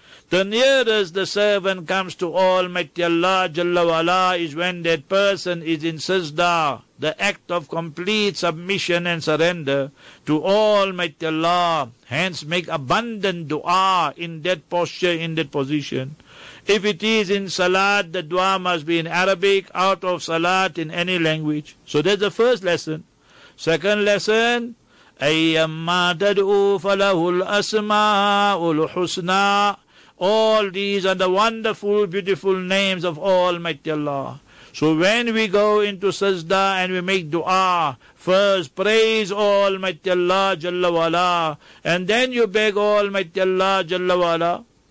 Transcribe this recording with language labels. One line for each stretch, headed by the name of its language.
English: The nearest the servant comes to Almighty Allah Jalla Wala is when that person is in sajda, the act of complete submission and surrender to Almighty Allah. Hence make abundant dua in that posture, in that position. If it is in salat, the dua must be in Arabic, out of salat in any language. So that's the first lesson. Second lesson,
Arabic: أَيَّمَّا تَدْعُوا فَلَهُ الْأَسْمَاءُ الْحُسْنَى.
English: All these are the wonderful, beautiful names of Almighty Allah. So when we go into sajda and we make dua, first praise Almighty Allah Jalla Wala, and then you beg Almighty Allah Jalla Wala.